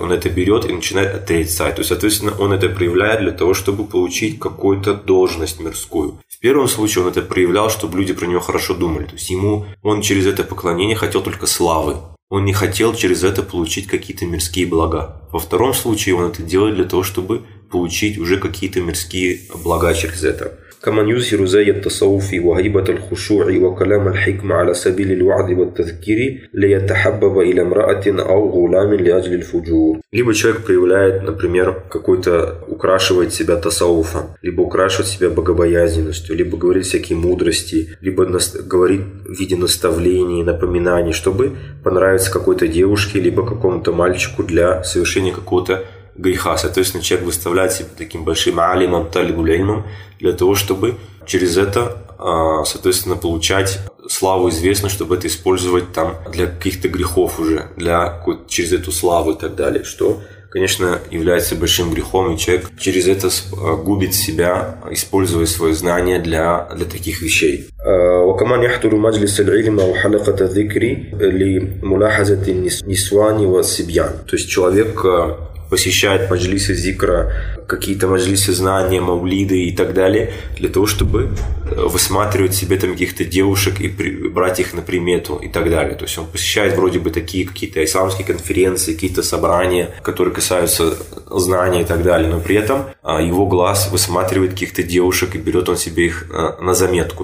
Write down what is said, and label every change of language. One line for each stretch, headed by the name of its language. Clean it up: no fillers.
Russian: Он это берет и начинает отрицать. То есть, соответственно, он это проявляет для того, чтобы получить какую-то должность мирскую. В первом случае он это проявлял, чтобы люди про него хорошо думали. То есть, он через это поклонение хотел только славы. Он не хотел через это получить какие-то мирские блага. Во втором случае он это делает для того, чтобы получить уже какие-то мирские блага через это.
Arabic: كمن يظهر زي التصوف وهيبة الخشوع وكلام الحكمة على سبيل الوعظ والتذكير ليتحبب إلى امرأة أو غلام لأجل الفجور.
Russian: Либо человек проявляет, например, какой-то украшивает себя тасауфом, либо украшивает себя богобоязненностью, либо говорит всякие мудрости, либо говорит в виде наставлений, напоминаний, чтобы понравиться какой-то девушке, либо какому-то мальчику для совершения какого-то греха. Соответственно, человек выставляет себя таким большим алимом, талибулеймом, для того, чтобы через это, соответственно, получать славу известно, чтобы это использовать там для каких-то грехов уже, для через эту славу и так далее, что, конечно, является большим грехом, и человек через это губит себя, используя свои знания для таких вещей.
Arabic: وكمان يحضر مجلس العلم أو حلقة الذكر لملاحظة النسوان والصبيان.
Russian: То есть человек посещает маджлисы зикра, какие-то маджлисы знания, маулиды и так далее, для того, чтобы высматривать себе там каких-то девушек и брать их на примету и так далее. То есть он посещает вроде бы такие какие-то исламские конференции, какие-то собрания, которые касаются знания и так далее, но при этом его глаз высматривает каких-то девушек и берет он себе их на заметку.